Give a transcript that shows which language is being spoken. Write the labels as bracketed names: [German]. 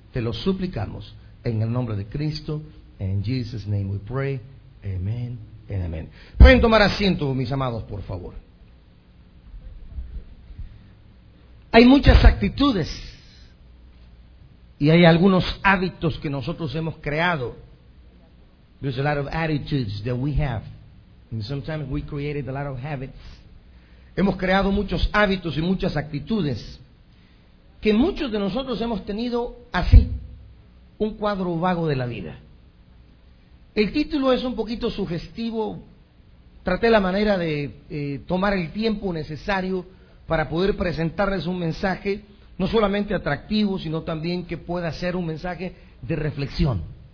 [Spanish] Te lo suplicamos en el nombre de Cristo. [English] In Jesus' name we pray. Amen and amen. [Spanish] Pueden tomar asiento, mis amados, por favor. Hay muchas actitudes y hay algunos hábitos que nosotros hemos creado. [English] There's a lot of attitudes that we have. And sometimes we created a lot of habits. [Spanish] Hemos creado muchos hábitos y muchas actitudes que muchos de nosotros hemos tenido así, un cuadro vago de la vida. El título es un poquito sugestivo. Traté la manera de tomar el tiempo necesario para poder presentarles un mensaje no solamente atractivo, sino también que pueda ser un mensaje de reflexión.